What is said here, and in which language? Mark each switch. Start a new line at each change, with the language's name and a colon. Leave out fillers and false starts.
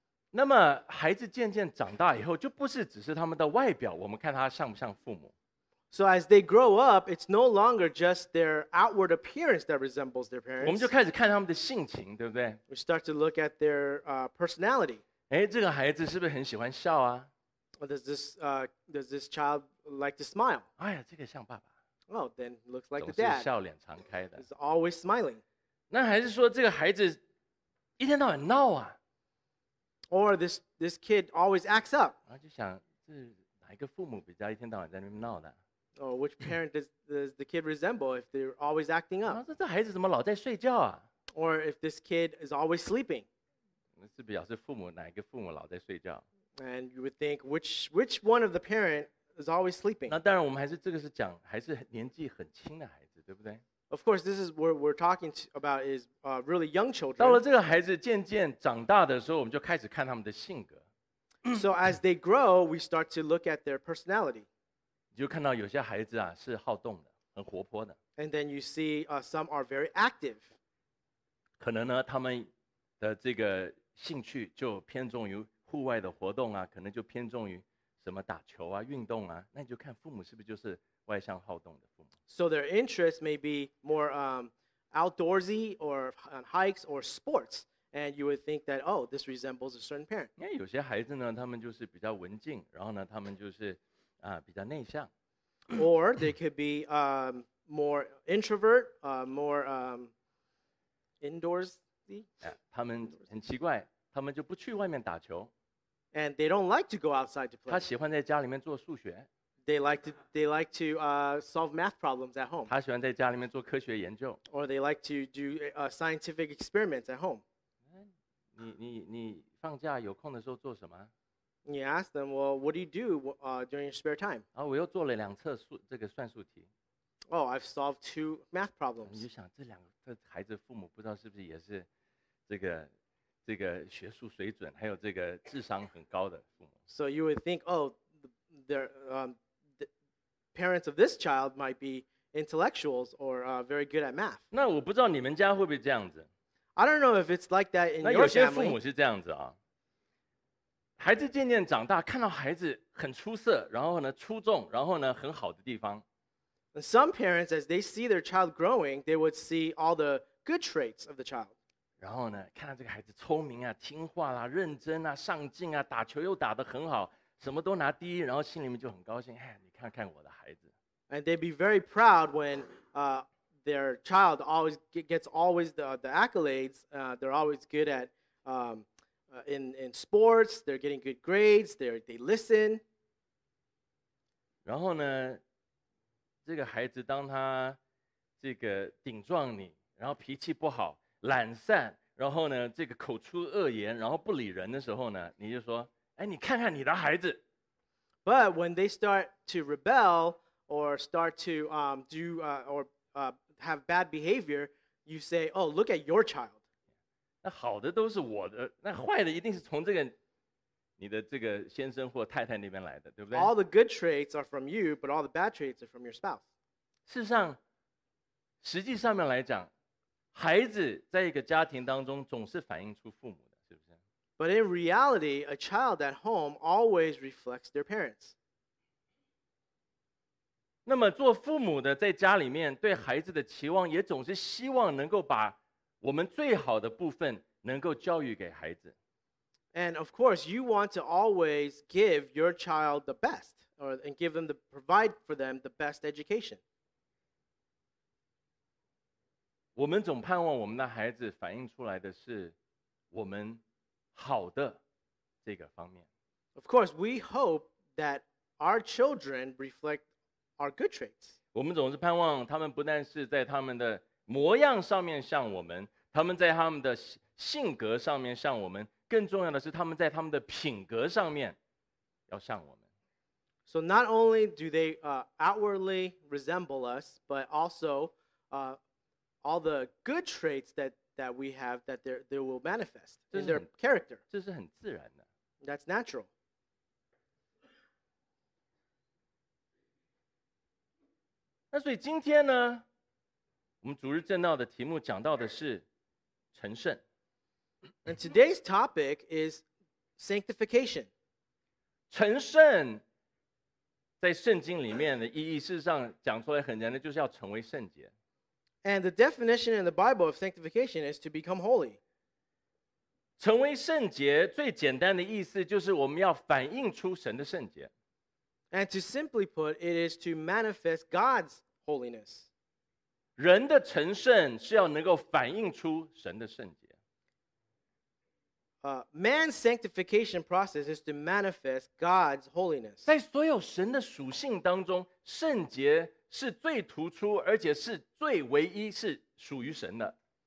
Chinese: 那么孩子渐渐长大以后就不是只是他们的外表我们看他像不像父母。
English: So as they grow up, it's no longer just their outward appearance that resembles their parents.
Chinese: 我们就开始看他们的性情对不对
English: We start to look at their personality.
Chinese: 哎这个孩子是不是很喜欢笑啊
English: Does this child like to smile?
Chinese: 哎呀这个像爸爸。
English: Oh, then looks like the dad.
Chinese: 总是笑脸常开的。
English: He's always smiling.
Chinese: 那还是说这个孩子一天到晚闹啊
English: ？Or this kid always acts up.
Chinese: 然后就想，是哪一个父母比较一天到晚在那边闹的
English: ？Or which parent does the kid resemble if they're always acting up？
Chinese: 然后说这孩子怎么老在睡觉啊
English: ？Or if this kid is always sleeping？
Chinese: 那是表示父母哪一个父母老在睡觉
English: ？And you would think which one of the parent？ Is always sleeping.
Chinese: 那当然，我们还是这个是讲还是年纪很轻的孩子，对不对
English: ？Of course, this is what we're talking about is really young children.
Chinese: 到了这个孩子渐渐长大的时候，我们就开始看他们的性格。
English: So as they grow, we start to look at their personality.
Chinese: 你就看到有些孩子啊是好动的，很活泼的。
English: And then you see some are very active.
Chinese: 可能呢，他们的这个兴趣就偏重于户外的活动啊，可能就偏重于。什么打球啊，运动啊，那你就看父母是不是就是外向好动的父母。
English: So their interest may be more outdoorsy or hikes or sports, and you would think that oh, this resembles a certain parent.
Chinese: 因为有些孩子呢，他们就是比较文静，然后呢，他们就是比较内向。
English: Or they could be more introvert, more indoorsy.
Chinese: 他们很奇怪，他们就不去外面打球。
English: And they don't like to go outside to play.
Chinese: 他喜欢在家里面做数学。
English: They like to solve math problems at home.
Chinese: 他喜欢在家里面做科学研究。
English: Or they like to do scientific experiments at home.
Chinese: 你放假有空的时候做什么
English: ？You ask them, well, what do you do during your spare time?
Chinese: 啊，我又做了两册数这个算术题。
English: Oh, I've solved two math problems.
Chinese: 你就想这两个孩子父母不知道是不是也是这个。这个学术水准还有这个智商很高的父母。
English: So you would think, oh, the parents of this child might be intellectuals or very good at math.
Chinese: 那我不知道你们家会不会这样子。
English: I don't know if it's like that in your family.
Chinese: 那有些父母是这样子啊。孩子渐渐长大，看到孩子很出色，然后呢出众，然后呢很好的地方。
English: And some parents, as they see their child growing, they would see all the good traits of the child.
Chinese: 然后呢，看到这个孩子聪明啊、听话啦、啊、认真啊、上进啊、打球又打得很好，什么都拿第一，然后心里面就很高兴。哎，你看看我的孩子。
English: And they'd be very proud when their child always gets the accolades. They're always good at in sports. They're getting good grades. They listen.
Chinese: 然后呢，这个孩子当他这个顶撞你，然后脾气不好。懒散，然后呢，这个口出恶言，然后不理人的时候呢，你就说，哎，你看看你的孩子。
English: But when they start to rebel or start to do or have bad behavior, you say, oh, look at your child.
Chinese: 那好的都是我的，那坏的一定是从这个你的这个先生或太太那边来的，对不对？
English: All the good traits are from you, but all the bad traits are from your spouse.
Chinese: 事实上，实际上面来讲，孩子在一个家庭当中总是反映出父母的，是不是？
English: But in reality, a child at home always reflects their parents.
Chinese: 那么做父母的在家里面对孩子的期望，也总是希望能够把我们最好的部分能够教育给孩子。
English: And of course, you want to always give your child the best, or and give them the provide for them the best education.
Chinese: 我们总盼望我们的孩子反映出来的是我们好的这个方面。
English: Of course, we hope that our children reflect our good traits.
Chinese: 我们总是盼望他们不但是在他们的模样上面像我们，他们在他们的性格上面像我们。更重要的是他们在他们的品格上面要像我们。
English: So not only do they outwardly resemble us, but also all the good traits that we have that they will manifest in their character.
Chinese: 这是很自然的。
English: That's natural.
Chinese: 那所以今天呢，我们主日正道的题目讲到的是成圣。
English: And today's topic is sanctification.
Chinese: 成圣在圣经里面的意义，事实上讲出来很简单，就是要成为圣洁。
English: And the definition in the Bible of sanctification is to become holy.
Chinese: 成为圣洁最简单的意思就是我们要反映出神的圣洁。
English: And to simply put, it is to manifest God's holiness.
Chinese: 人的成圣是要能够反映出神的圣洁。
English: Man's sanctification process is to manifest God's holiness.
Chinese: 在所有神的属性当中，圣洁是最突出，而且是最唯一，是属于神的。